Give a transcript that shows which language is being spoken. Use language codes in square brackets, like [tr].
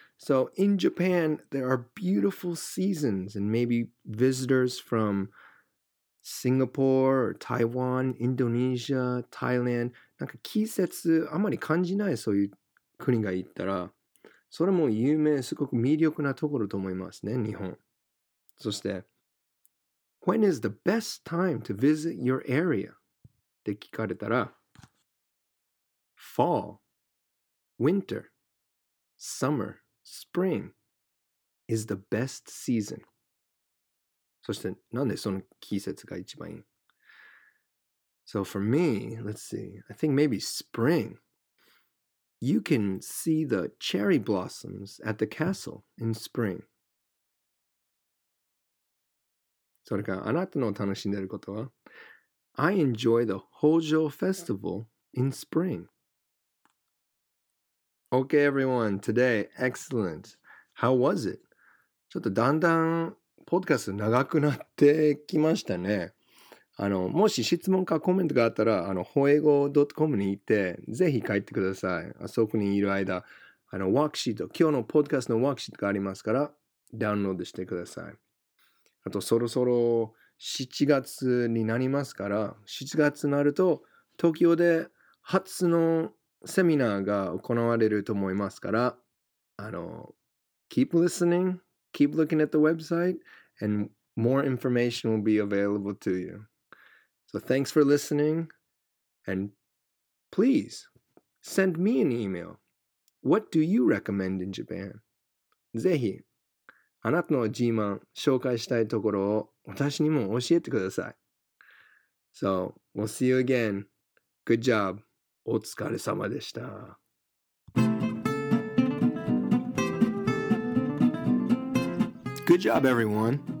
[en] So in Japan, there are beautiful seasons and maybe visitors from Singapore, Taiwan, Indonesia, Thailand. [ja] なんか季節あまり感じないそういう国が行ったら、それも有名、すごく魅力なところと思いますね、日本。そして、 [en] When is the best time to visit your area? [ja] って聞かれたら、 [en] Fall, Winter. Summer, spring is the best season. [ja] そして、なんでその季節が一番いい? [en] So for me, let's see, I think maybe spring. You can see the cherry blossoms at the castle in spring. [ja] それか、あなたの楽しんでることは? [en] I enjoy the Hojo festival in spring. Okay, everyone. Today, excellent. How was it? [ja] ちょっとだんだんポッドキャスト長くなってきましたね。もし質問かコメントがあったら、ほえご .com に行って、ぜひ帰ってください。あそこにいる間、ワークシート、今日のポッドキャストのワークシートがありますから、ダウンロードしてください。あと、そろそろ7月になりますから、7月になると、東京で初のセミナーが行われると思いますから、 [en] keep listening, keep looking at the website, and more information will be available to you. So thanks for listening, and please send me an email. What do you recommend in Japan? [ja] ぜひ、あなたの自慢紹介したいところを私にも教えてください。 [en] So we'll see you again. Good job. [ja] お疲れ様でした。 [en] Good job, everyone.